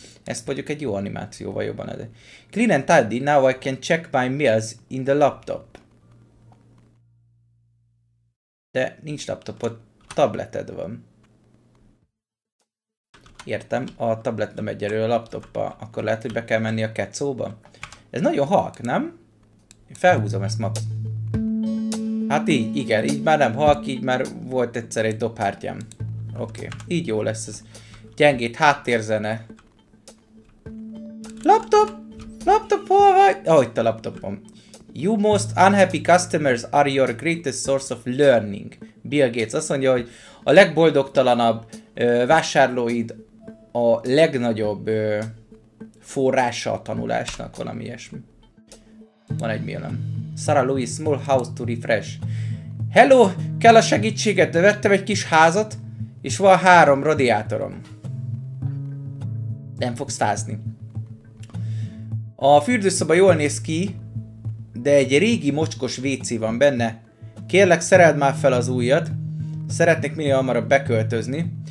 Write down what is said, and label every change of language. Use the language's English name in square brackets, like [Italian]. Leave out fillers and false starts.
[Hungarian] Ez mondjuk egy jó animációval jobban ez. [English] Clean and tidy, now I can check my mails in the laptop. [Hungarian] De nincs laptopod, tableted van. Értem, a tablet nem egyelő a laptoppa, akkor lehet, hogy be kell menni a kecóba. Ez nagyon halk, nem? Én felhúzom ezt ma. Hát így, igen, így már nem halk, így már volt egyszer egy dobhártyám. Oké, így jó lesz ez. Gyengét háttérzene. Laptop! Laptop, hol vagy? Ah, itt a laptopom. [English] You most unhappy customers are your greatest source of learning. [Hungarian] Bill Gates azt mondja, hogy a legboldogtalanabb vásárlóid a legnagyobb forrása a tanulásnak, valami ilyesmi. Van egy mailem. [English] Sarah Louis, small house to refresh. [Hungarian] Hello, kell a segítséget, de vettem egy kis házat, és van 3 radiátorom. Nem fogsz fázni. A fürdőszoba jól néz ki, de egy régi mocskos WC van benne. Kérlek, szereld már fel az újat. Szeretnék minél hamarabb beköltözni.